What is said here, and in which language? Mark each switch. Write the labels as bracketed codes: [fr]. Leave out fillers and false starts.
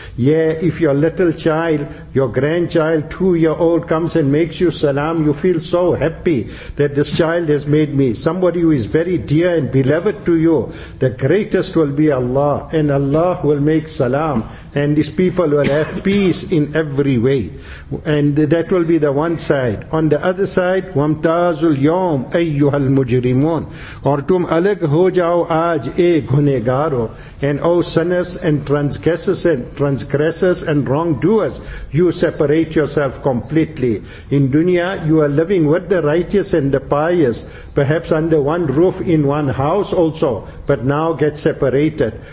[en] Yeah, if your little child, your grandchild, 2-year-old comes and makes you salam, you feel so happy that this child has made me. Somebody who is very dear and beloved to you, the greatest will be Allah. And Allah will make salam. And these people will have peace in every way. And that will be the one side. On the other side, [ar] وَمْتَازُ الْيَوْمْ أَيُّهَا الْمُجْرِمُونَ [ur] اور تم الگ ہو جاؤ آج اے گھنگارو. [en] And O sinners and transgressors and wrongdoers, you separate yourself completely. In dunya, you are living with the righteous and the pious, perhaps under one roof in one house also, but now get separated.